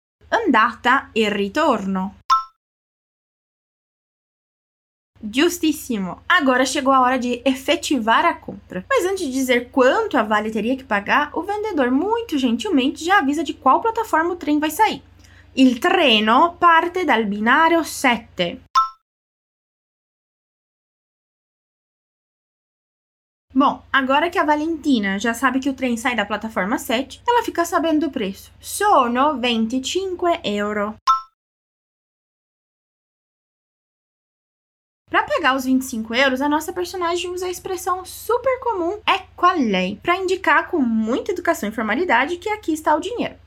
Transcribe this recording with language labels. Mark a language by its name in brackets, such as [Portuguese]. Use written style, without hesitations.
[Italian] Andata e ritorno. [Portuguese] Justíssimo! Agora chegou a hora de efetivar a compra. Mas antes de dizer quanto a Vale teria que pagar, o vendedor muito gentilmente já avisa de qual plataforma o trem vai sair. [Italian] Il treno parte dal binario 7. [Portuguese] Bom, agora que a Valentina já sabe que o trem sai da plataforma 7, ela fica sabendo o preço. [Italian] Sono 25 euro. [Portuguese] Para pegar os 25 euros, a nossa personagem usa a expressão super comum [Italian] "ecco a lei", [Portuguese] para indicar com muita educação e formalidade que aqui está o dinheiro.